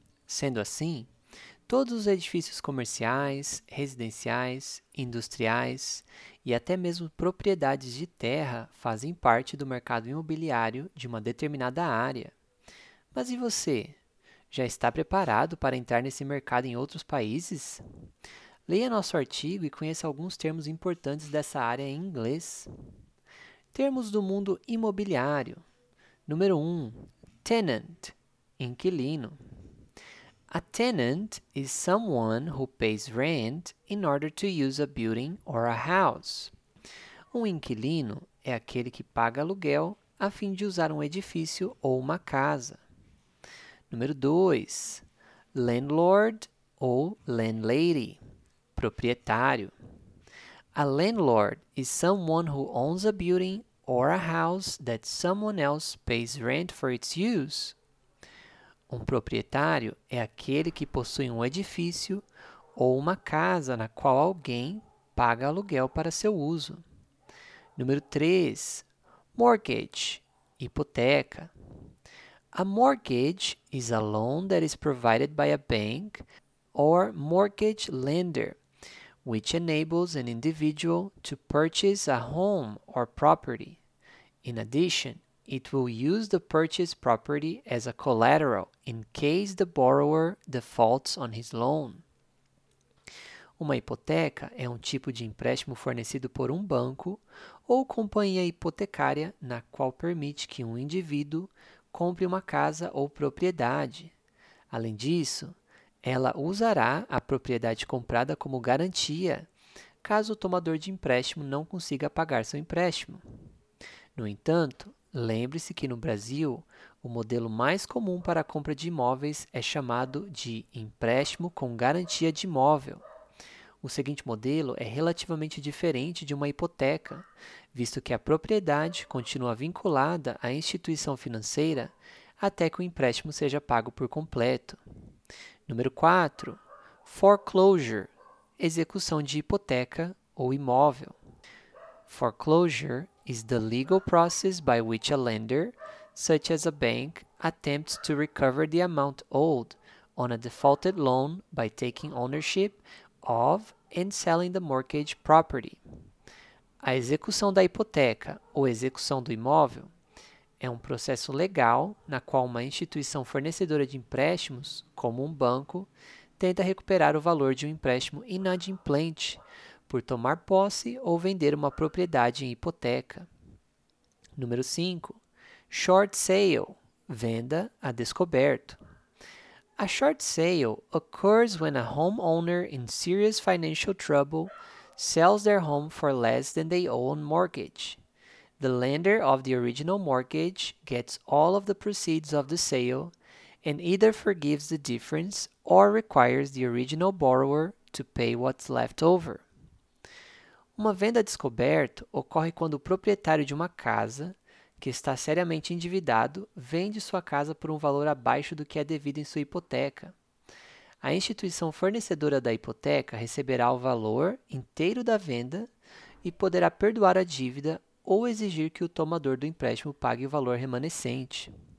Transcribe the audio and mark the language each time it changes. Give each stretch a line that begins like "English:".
Portuguese: Sendo assim, todos os edifícios comerciais, residenciais, industriais e até mesmo propriedades de terra fazem parte do mercado imobiliário de uma determinada área. Mas e você? Já está preparado para entrar nesse mercado em outros países? Leia nosso artigo e conheça alguns termos importantes dessa área em inglês. Termos do mundo imobiliário. Número 1. Tenant. Inquilino.
English: A tenant is someone who pays rent in order to use a building or a house.
Portuguese: Um inquilino é aquele que paga aluguel a fim de usar um edifício ou uma casa. Número 2. Landlord ou landlady. Proprietário.
English: A landlord is someone who owns a building or a house that someone else pays rent for its use.
Portuguese: Um proprietário é aquele que possui um edifício ou uma casa na qual alguém paga aluguel para seu uso. Número 3. Mortgage. Hipoteca.
English: A mortgage is a loan that is provided by a bank or mortgage lender, which enables an individual to purchase a home or property. In addition, it will use the purchased property as a collateral in case the borrower defaults on his loan.
Portuguese: Uma hipoteca é um tipo de empréstimo fornecido por um banco ou companhia hipotecária na qual permite que um indivíduo compre uma casa ou propriedade. Além disso, ela usará a propriedade comprada como garantia, caso o tomador de empréstimo não consiga pagar seu empréstimo. No entanto, lembre-se que no Brasil, o modelo mais comum para a compra de imóveis é chamado de empréstimo com garantia de imóvel. O seguinte modelo é relativamente diferente de uma hipoteca, visto que a propriedade continua vinculada à instituição financeira até que o empréstimo seja pago por completo. Número 4. Foreclosure. Execução de hipoteca ou imóvel.
English: Foreclosure is the legal process by which a lender, such as a bank, attempts to recover the amount owed on a defaulted loan by taking ownership of and selling the mortgage property.
Portuguese: A execução da hipoteca ou execução do imóvel é um processo legal na qual uma instituição fornecedora de empréstimos, como um banco, tenta recuperar o valor de um empréstimo inadimplente por tomar posse ou vender uma propriedade em hipoteca. Número 5. Short sale, venda a descoberto.
English: A short sale occurs when a homeowner in serious financial trouble sells their home for less than they owe on mortgage. The lender of the original mortgage gets all of the proceeds of the sale and either forgives the difference or requires the original borrower to pay what's left over.
Portuguese: Uma venda a descoberto ocorre quando o proprietário de uma casa que está seriamente endividado vende sua casa por um valor abaixo do que é devido em sua hipoteca. A instituição fornecedora da hipoteca receberá o valor inteiro da venda e poderá perdoar a dívida ou exigir que o tomador do empréstimo pague o valor remanescente.